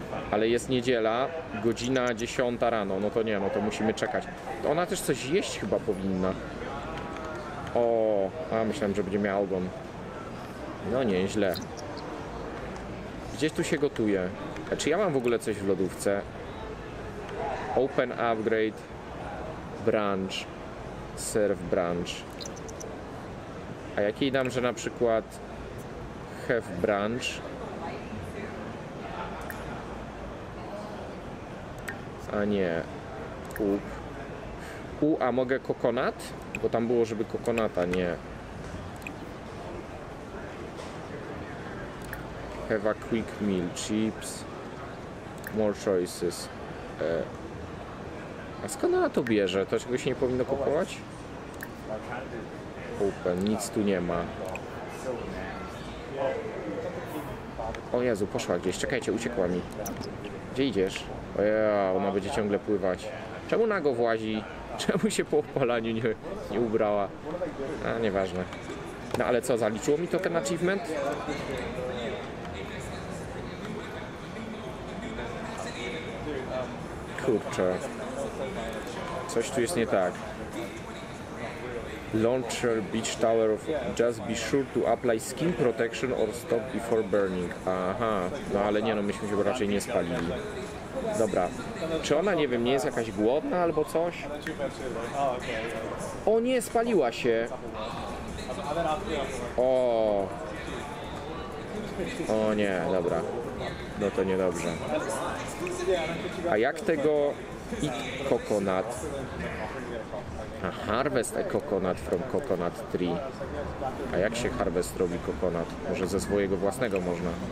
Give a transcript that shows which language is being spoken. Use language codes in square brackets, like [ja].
[pl] Ale jest niedziela, godzina 10 rano, no to nie, no to musimy czekać. Ona też coś jeść chyba powinna. O, a myślałem, że będzie miała ogon. No nie, źle. Gdzieś tu się gotuje. A czy ja mam w ogóle coś w lodówce? [en] Open upgrade, brunch, serve brunch. [pl] A jak jej dam, że na przykład [en] have brunch? [pl] A nie, up. U, a mogę kokonat? Bo tam było, żeby kokonata, nie. [en] Have a quick meal, chips, more choices. [pl] A skąd ona to bierze? To czegoś się nie powinno kupować? Open, nic tu nie ma. O Jezu, poszła gdzieś, czekajcie, uciekła mi. Gdzie idziesz? O ja, ona będzie ciągle pływać. Czemu nago włazi? Czemu się po opalaniu nie ubrała? A, nieważne. No ale co, zaliczyło mi to ten achievement? Kurczę. Coś tu jest nie tak. [en] Launcher beach tower of... Just be sure to apply skin protection or stop before burning. [pl] Aha, no ale nie, no myśmy się raczej nie spalili. Dobra. Czy ona, nie wiem, nie jest jakaś głodna albo coś? O nie, spaliła się. O. O nie, dobra. No to niedobrze. A jak tego... [en] Eat coconut. A harvest a coconut from coconut tree. [pl] A jak się harvest robi coconut? Może ze swojego własnego można?